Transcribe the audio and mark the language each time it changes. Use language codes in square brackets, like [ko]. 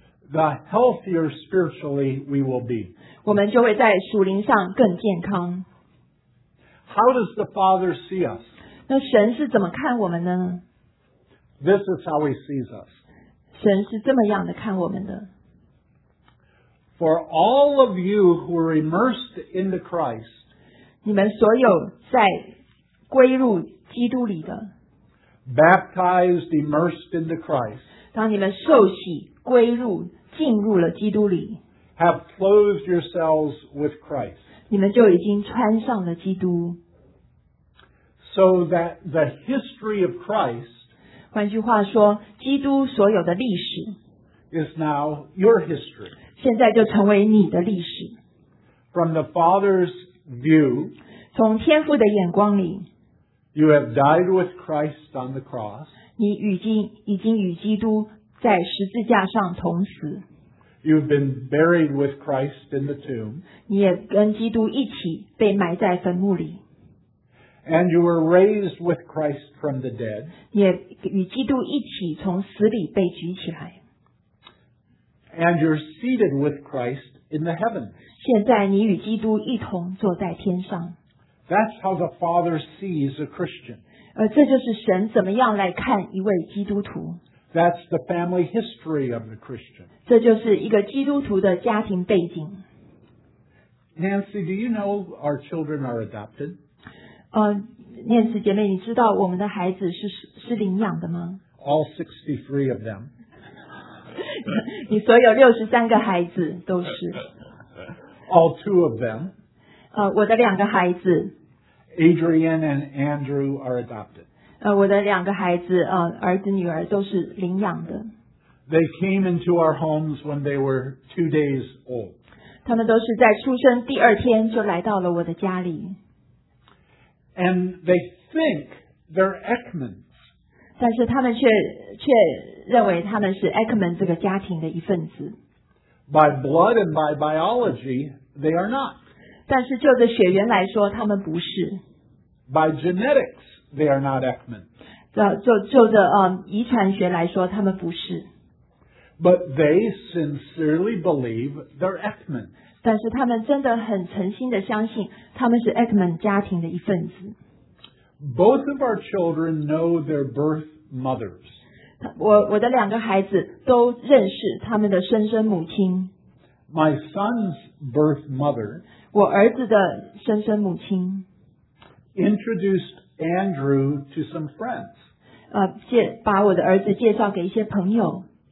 [en] the healthier spiritually we will be. [zh] 我们就会在属灵上更健康。 [en] How does the Father see us? [zh] 那神是怎么看我们呢？ [en] This is how he sees us. [zh] 神是这么样的看我们的。 [en] For all of you who are immersed into Christ, [zh] 你们所有在归入基督里的， [en] baptized, immersed into Christ, [zh] 当你们受洗归入进入了基督里， [en] have clothed yourselves with Christ, [zh] 你们就已经穿上了基督。 [en] So that the history of Christ, [zh] 换句话说，基督所有的历史 [en] is now your history. [zh] 现在就成为你的历史。 [en] From the Father's view, [zh] 从天父的眼光里， [en] you have died with Christ on the cross. [zh] 你已经与基督在十字架上同死。 [en] You've been buried with Christ in the tomb. [zh] 你也跟基督一起被埋在坟墓里。 [en] And you were raised with Christ from the dead. [zh] 也与基督一起从死里被举起来。 [en] And you're seated with Christ in the heavens. [zh] 现在你与基督一同坐在天上。 [en] That's how the Father sees a Christian. [zh] 而这就是神怎么样来看一位基督徒。 [en] That's the family history of the Christian. [zh] 这就是一个基督徒的家庭背景。 [en] Nancy, do you know our children are adopted? [zh] 念慈姐妹，你知道我们的孩子是领养的吗？ [en] All 63 of them. [zh] 你所有63个孩子都是。 [en] All 2 of them. [zh] 我的两个孩子。 [en] Adrian and Andrew are adopted. [zh] 我的两个孩子，儿子女儿都是领养的。 [en] They came into our homes when they were 2 days old. [zh] 他们都是在出生第二天就来到了我的家里。 [en] And they think they're Ekmans. [zh] 但是他们却认为他们是 Ekman 这个家庭的一份子。 [en] By blood and by biology, they are not. [zh] 但是就着血缘来说，他们不是。 [en] By genetics, they are not Ekman. [zh] 就着遗传学来说，他们不是。 [en] But they sincerely believe they're Ekman. [zh] 但是他们真的很诚心的相信，他们是 Ekman 家庭的一份子。 [en] Both of our children know their birth mothers. [zh] 我的两个孩子都认识他们的生生母亲。 [en] My son's birth mother. [zh] 我儿子的生生母亲。 [en] Introduced Andrew to some friends. [zh] 把我的儿子介绍给一些朋友。